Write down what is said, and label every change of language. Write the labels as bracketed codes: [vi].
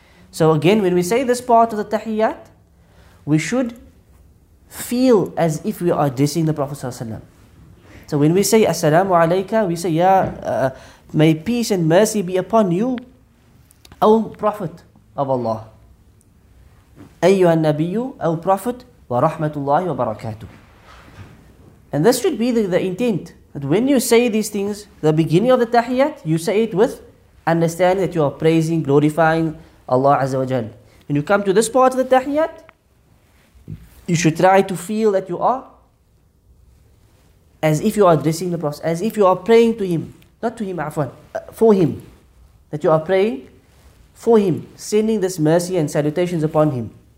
[en] So again, when we say this part of the tahiyyat, we should feel as if we are addressing the Prophet ﷺ. So when we say [ar] Assalamu alayka, [en] we say, may peace and mercy be upon you, O Prophet of Allah. [ar] أيها النبي أو Prophet ورحمة الله وبركاته. [en] And this should be the intent, that when you say these things, the beginning of the tahiyyat, you say it with understanding that you are praising, glorifying Allah Azza wa Jal. When you come to this part of the tahiyyat, you should try to feel that you are as if you are addressing the Prophet, as if you are praying to him, not to him, Afwan, for him, that you are praying for him, sending this mercy and salutations upon him.